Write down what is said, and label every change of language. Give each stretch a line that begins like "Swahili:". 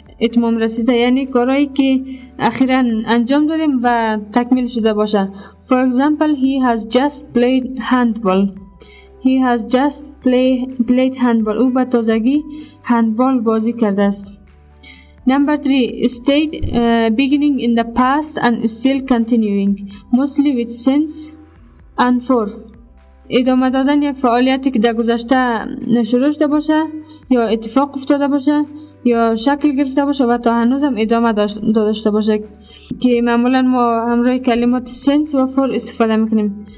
Persian: اتمام رسیده، یعنی کارهایی که اخیراً انجام دادیم و تکمیل شده باشه.
English: For example, he has just played handball. He has just played handball.
Persian: او به تازگی هندبال بازی کرده است.
English: Number 3. State beginning in the past and still continuing. Mostly with since and for.
Persian: ادامه دادن یک فعالیتی که در گذشته شروع شده باشه یا اتفاق افتاده باشه یا شکل گرفته باشه و تا هنوز هم ادامه داشته باشه، که معمولا ما همراه کلمات since و for استفاده میکنیم.